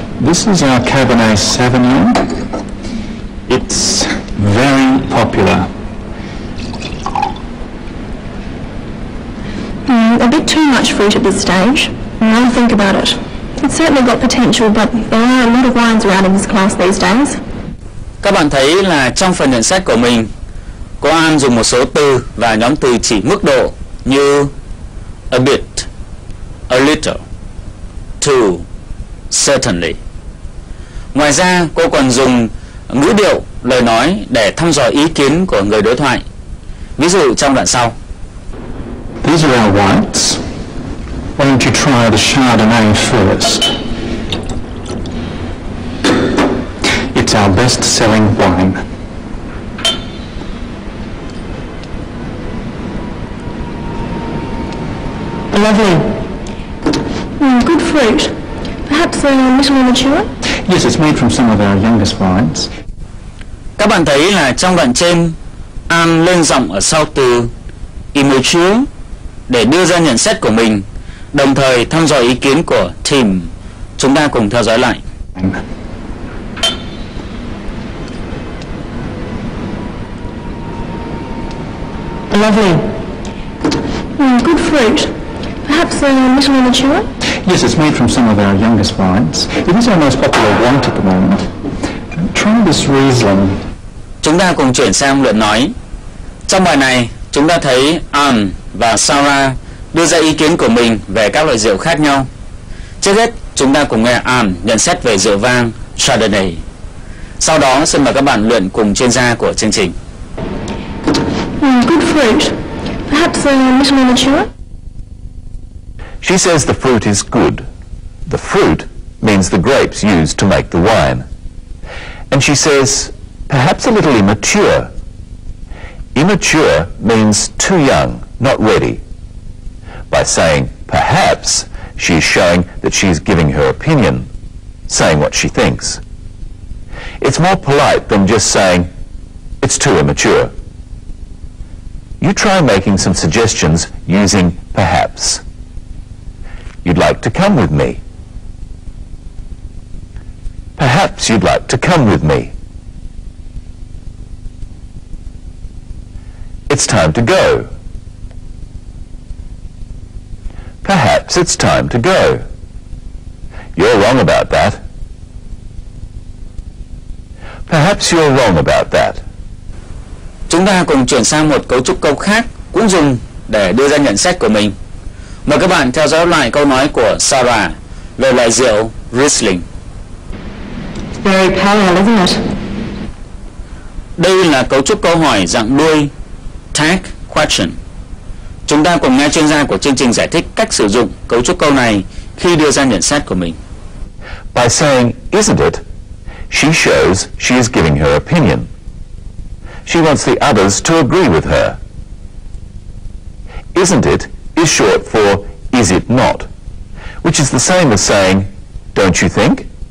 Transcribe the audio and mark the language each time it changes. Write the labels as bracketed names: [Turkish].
[English] This is our Cabernet Sauvignon. It's very popular. A bit too much fruit at this stage. I'll think about it. It's certainly got potential, but there are a lot of wines around in this class these days. [Vietnamese] Các bạn thấy là trong phần nhận xét của mình, cô An dùng một số từ và nhóm từ chỉ mức độ như [English] a bit, a little, too, certainly. [Vietnamese] Ngoài ra, cô còn dùng ngữ điệu, lời nói để thăm dò ý kiến của người đối thoại. Ví dụ trong đoạn sau. [English] These are our whites. Why don't you try the Chardonnay first? It's our best-selling wine. Lovely. Good fruit. Perhaps a little immature? Yes, it's made from some of our youngest vines. [Vietnamese] Các bạn thấy là trong đoạn trên, An lên giọng ở sau từ immature để đưa ra nhận xét của mình, đồng thời thăm dò ý kiến của Tim. Chúng ta cùng theo dõi lại. [English] Lovely. Good fruit. Perhaps a little immature? Yes, it's made from some of our youngest vines. It is our most popular wine at the moment. Try this Riesling. [Vietnamese] Chúng ta cùng chuyển sang lượt nói. Trong bài này, chúng ta thấy Anne và Sarah đưa ra ý kiến của mình về các loại rượu khác nhau. Trước hết, chúng ta cùng nghe Anne nhận xét về rượu vang Chardonnay. Sau đó, xin mời các bạn luận cùng chuyên gia của chương trình. [English] Good fruit. Perhaps a little immature? She says the fruit is good. The fruit means the grapes used to make the wine. And she says, perhaps a little immature. Immature means too young, not ready. By saying perhaps, she's showing that she's giving her opinion, saying what she thinks. It's more polite than just saying, it's too immature. You try making some suggestions using perhaps. You'd like to come with me. Perhaps you'd like to come with me. It's time to go. Perhaps it's time to go. You're wrong about that. Perhaps you're wrong about that. [Vietnamese] Chúng ta cùng chuyển sang một cấu trúc câu khác cũng dùng để đưa ra nhận xét của mình. Mời các bạn theo dõi lại câu nói của Sarah về loại rượu Riesling. [English] It's very pale, isn't it? [Vietnamese] Đây là cấu trúc câu hỏi dạng đuôi, tag question. Chúng ta cùng nghe chuyên gia của chương trình giải thích cách sử dụng cấu trúc câu này khi đưa ra nhận xét của mình. [English] By saying, isn't it, she shows she is giving her opinion. She wants the others to agree with her. Isn't it is short for is it not, which is the same as saying, don't you think?